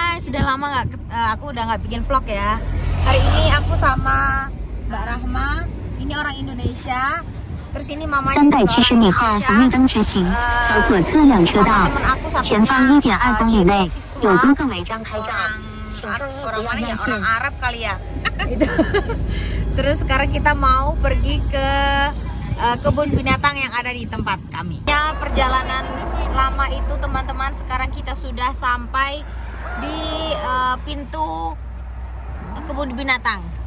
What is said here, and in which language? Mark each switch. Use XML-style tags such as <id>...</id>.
<id>sudah lama nggak, aku udah nggak bikin vlog ya. Hari ini aku sama Mbak Rahma, ini orang Indonesia. Terus ini mamanya.</id> <zh>370米哈, 红绿灯直行, 左侧两车道, 前方 1.2 公里内, 有工作违章开照, 请注意不要内线.</zh> <id>Arab kali ya. Terus sekarang kita mau pergi ke kebun binatang yang ada di tempat kami. Ya, perjalanan lama itu teman-teman, sekarang kita sudah sampai di pintu kebun binatang.</id>